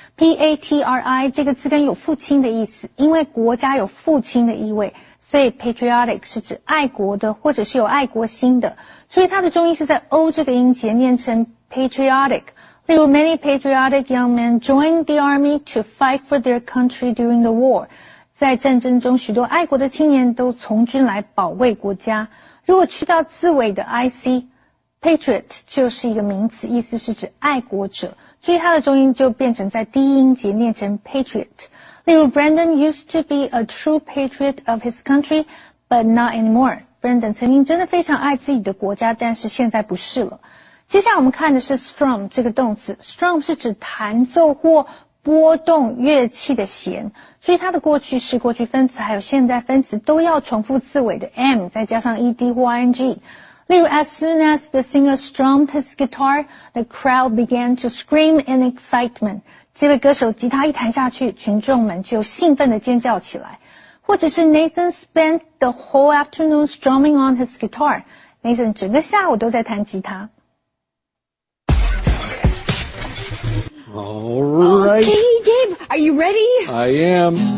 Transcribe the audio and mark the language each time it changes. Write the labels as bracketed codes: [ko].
[zh] P-A-T-R-I 这个词根有父亲的意思，因为国家有父亲的意味，所以 patriotic 是指爱国的或者是有爱国心的。所以它的中音是在 O 这个音节念成 patriotic。例如 [en] ,many patriotic young men joined the army to fight for their country during the war. [zh] 在战争中许多爱国的青年都从军来保卫国家。如果去到字尾的 IC, patriot 就是一个名词，意思是指爱国者。注意它的中音就变成在第一音节念成 patriot。例如 [en] ,Brandon used to be a true patriot of his country, but not anymore. [zh] Brandon 曾经真的非常爱自己的国家，但是现在不是了。接下来我们看的是 strum 这个动词。strum 是指弹奏或波动乐器的弦，所以它的过去式、过去分词还有现在分词都要重复字尾的 M 再加上 ED 或 ING。例如 [en] As soon as the singer strummed his guitar, the crowd began to scream in excitement. [zh] 这位歌手吉他一弹下去，群众们就兴奋地尖叫起来。或者是 [en] Nathan spent the whole afternoon strumming on his guitar. [zh] Nathan 整个下午都在弹吉他。 [en] All right. Okay, Dave, are you ready? I am.